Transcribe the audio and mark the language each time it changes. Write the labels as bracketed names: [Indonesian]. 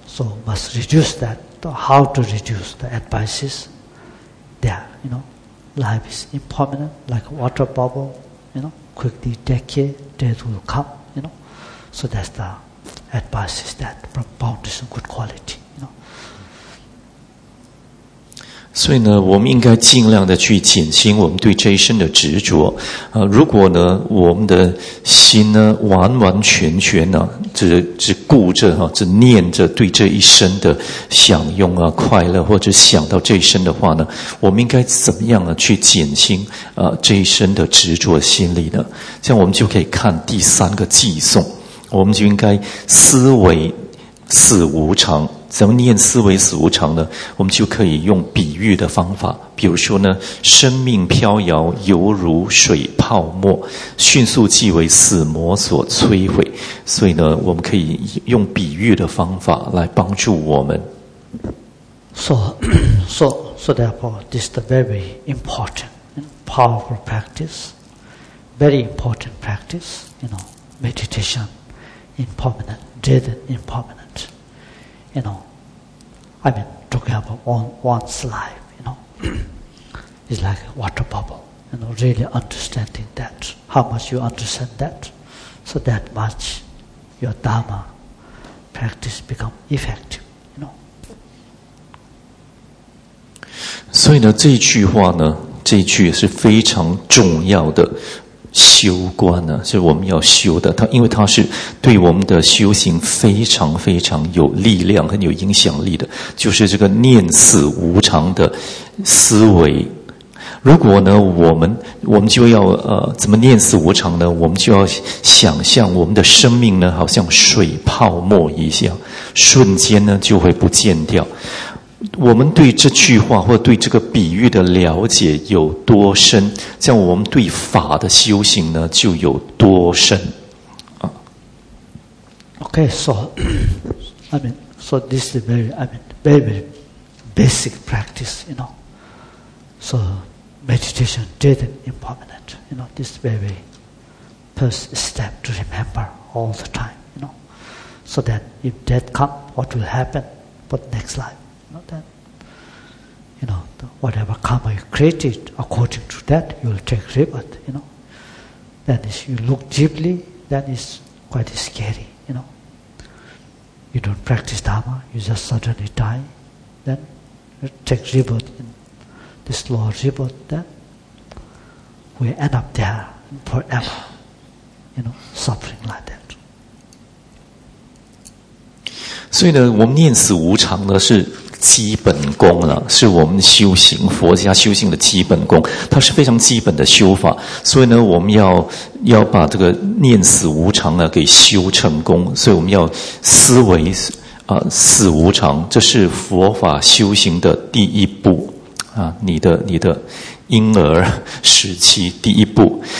[English] So must reduce that. So how to reduce? The advice is there, you know, life is impermanent, like a water bubble, you know, quickly decay, death will come, you know. So that's the advice is that from boundless and good quality. [Chinese] 所以呢，我们应该尽量的去减轻我们对这一生的执着。如果呢，我们的心呢，完完全全呢、啊，只顾着哈、啊，只念着对这一生的享用啊、快乐，或者想到这一生的话呢，我们应该怎么样呢、啊，去减轻啊、这一生的执着心理呢？这样我们就可以看第三个偈颂，我们就应该思维此无常。怎么念思维死无常呢？我们就可以用比喻的方法，比如说呢，生命飘摇犹如水泡沫，迅速即为死魔所摧毁。所以呢，我们可以用比喻的方法来帮助我们。 [English] So therefore, this is the very important, powerful practice, very important practice. You know, meditation, impermanent, death, impermanent. You know. I mean, talking about one's life, you know, is like a water bubble, you know, really understanding that, how much you understand that, so that much your Dharma practice become effective, you know. [Chinese] 所以呢，这句话呢，这句是非常重要的修观呢，是我们要修的。它因为它是对我们的修行非常非常有力量、很有影响力的，就是这个念死无常的思维。如果呢，我们就要怎么念死无常呢？我们就要想象我们的生命呢，好像水泡沫一样，瞬间呢就会不见掉。我们对这句话或对这个比喻的了解有多深，这样我们对法的修行呢就有多深。 [English] Okay, so this is very basic practice, you know. So meditation, dead and impermanent, you know, this very first step to remember all the time, you know. So that if death comes, what will happen for the next life? Then, you know, whatever karma you created according to that, you will take rebirth, you know. Then if you look deeply, then it's quite scary, you know. You don't practice Dharma, you just suddenly die, then you take rebirth in this lower rebirth, then we end up there forever, you know, suffering like that. [Chinese] 所以呢，我们念死无常呢是基本功了，是我们修行佛家修行的基本功，它是非常基本的修法。所以呢，我们要把这个念死无常呢给修成功。所以我们要思维死无常，这是佛法修行的第一步啊，你的婴儿时期第一步。